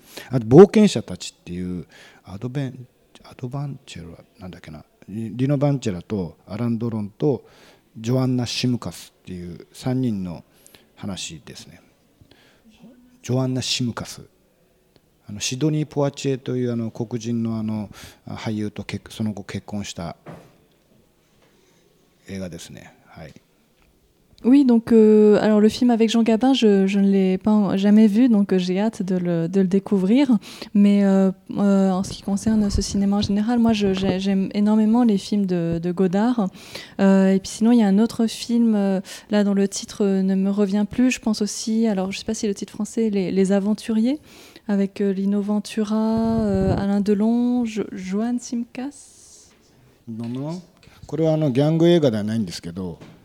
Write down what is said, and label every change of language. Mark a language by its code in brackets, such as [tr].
[ja] あと冒険者たちっていうアドバンチェラなんだっけな、リノ・バンチェラとアラン・ドロンとジョアンナ・シムカスっていう3人の話ですね。ジョアンナ・シムカス、あのシドニー・ポワチエというあの黒人 の, あの俳優とその後結婚した映画ですね。はい。 [fr] Oui, donc alors le film avec Jean Gabin, je ne l'ai pas jamais vu, donc j'ai hâte de le découvrir. Mais en ce qui concerne ce cinéma en général, moi j'aime énormément les films de Godard. Et puis sinon, il y a un autre film là dont le titre ne me revient plus. Je pense aussi, alors je ne sais pas si le titre français, les Aventuriers, avec Lino Ventura, Alain Delon, Joan Simkas. Non, non. C'est un gang [ja] 映画ではないんですけど。